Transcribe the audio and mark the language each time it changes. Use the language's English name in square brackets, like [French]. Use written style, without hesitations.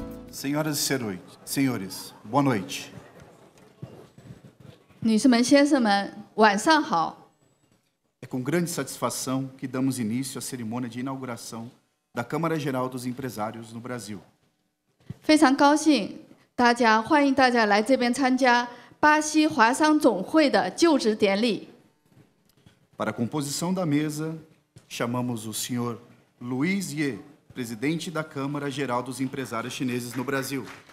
[Portuguese] senhoras e senhores, boa noite. [Chinese] 女士们、先生们，晚上好。 [Portuguese] É com grande satisfação que damos início à cerimônia de inauguração da Câmara Geral dos Empresários no Brasil. [Chinese] 非常高兴，大家欢迎大家来这边参加巴西华商总会的就职典礼。 [Portuguese] Para a composição da mesa, chamamos o senhor Luiz Ye, presidente da Câmara Geral dos Empresários Chineses no Brasil.